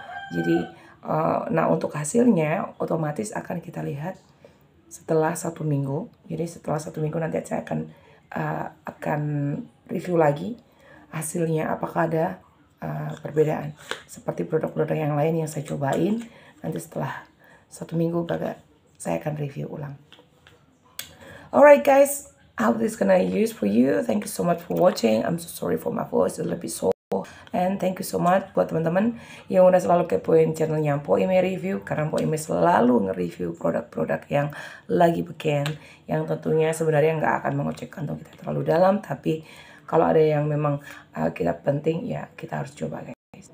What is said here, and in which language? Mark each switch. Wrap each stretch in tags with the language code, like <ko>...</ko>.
<id>Jadi nah, untuk hasilnya otomatis akan kita lihat setelah 1 minggu. Jadi setelah 1 minggu nanti saya akan review lagi hasilnya, apakah ada perbedaan seperti produk-produk yang lain yang saya cobain. Nanti setelah 1 minggu saya akan review ulang.</id> <en>Alright, guys, how this gonna use for you. Thank you so much for watching. I'm so sorry for my voice, it's a little bit sore. And thank you so much</en> <id>buat teman-teman yang udah selalu kepoin channelnya Mpo Ime Review, karena Mpo Ime selalu nge-review produk-produk yang lagi beken, yang tentunya sebenarnya nggak akan mengocek kantong kita terlalu dalam, tapi kalau ada yang memang kita penting, ya kita harus coba, guys.</id>